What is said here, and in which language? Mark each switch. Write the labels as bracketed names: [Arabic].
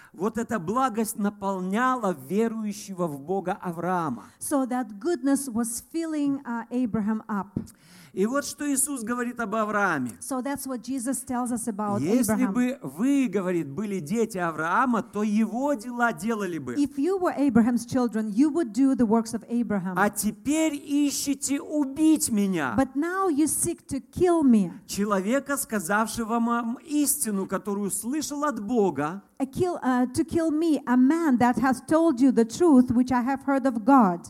[Russian] Вот эта благость наполняла верующего в Бога Авраама. [English] So that goodness was filling Abraham up. [Russian] И вот что Иисус говорит об Аврааме. [English] So that's what Jesus tells us about Abraham. [Russian] Если бы вы, говорит, были дети Авраама, то его дела делали бы. [English] If you were Abraham's children, you would do the works of Abraham. [Russian] А теперь ищете убить меня. [English] But now you seek to kill me. [Russian] Человека, сказавшего вам истину, которую слышал от Бога. [English] To kill me, a man that has told you the truth, which I have heard of God.